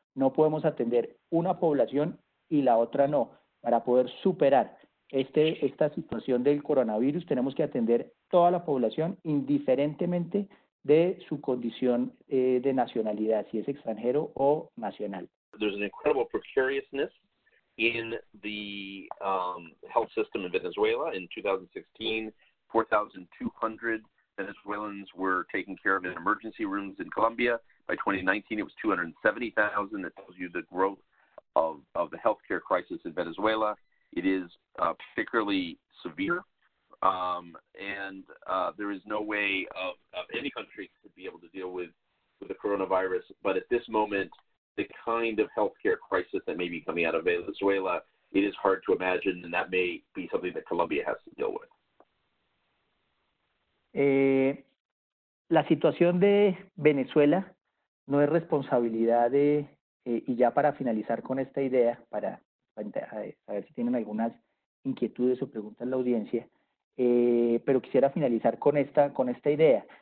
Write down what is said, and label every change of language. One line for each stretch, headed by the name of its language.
Spanish: No podemos atender una población y la otra no. Para poder superar esta situación del coronavirus, tenemos que atender toda la población, indiferentemente de su condición de nacionalidad, si es extranjero o nacional.
English: There's an incredible precariousness in the health system in Venezuela. In 2016, 4,200 Venezuelans were taken care of in emergency rooms in Colombia. By 2019, it was 270,000. That tells you the growth of the healthcare crisis in Venezuela. It is particularly severe, there is no way of any country to be able to deal with the coronavirus. But at this moment, the kind of healthcare crisis that may be coming out of Venezuela, it is hard to imagine, and that may be something that Colombia has to deal with.
Spanish: La situación de Venezuela no es responsabilidad de, y ya para finalizar con esta idea, para ver si tienen algunas inquietudes o preguntas en la audiencia, pero quisiera finalizar con esta idea.